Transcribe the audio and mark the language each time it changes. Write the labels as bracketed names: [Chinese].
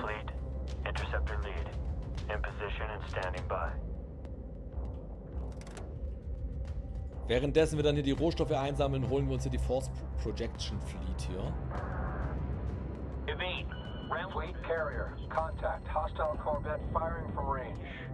[English] Fleet, interceptor lead, in position and standing by. [German] Währenddessen wir dann hier die Rohstoffe einsammeln, holen wir uns hier die Force Projection Fleet hier. [English] Evade, fleet carrier, contact, hostile corvette firing from range.